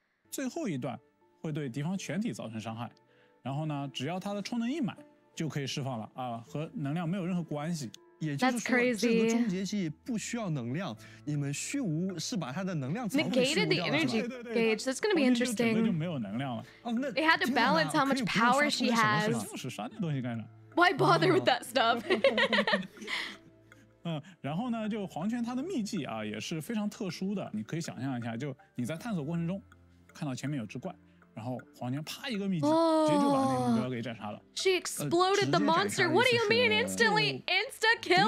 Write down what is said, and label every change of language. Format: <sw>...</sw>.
<zh>最后一段会对敌方全体造成伤害，然后呢，只要他的充能一满就可以释放了啊，和能量没有任何关系。也就是说，这个终结技不需要能量，你们虚无是把它的能量仓库虚无掉了。</zh> <en>Negated the energy gauge. That's gonna be interesting.</en> <zh>就没有能量了。</zh> <en>It had to balance how much power she has. Why bother with that stuff?</en> <zh>然后呢，就黄泉它的秘技啊，也是非常特殊的。你可以想象一下，就你在探索过程中，看到前面有只怪，然后黄泉啪一个秘技，直接就把那个目标给斩杀了。</zh> <en>She exploded the monster. What do you mean instantly insta killer?</en>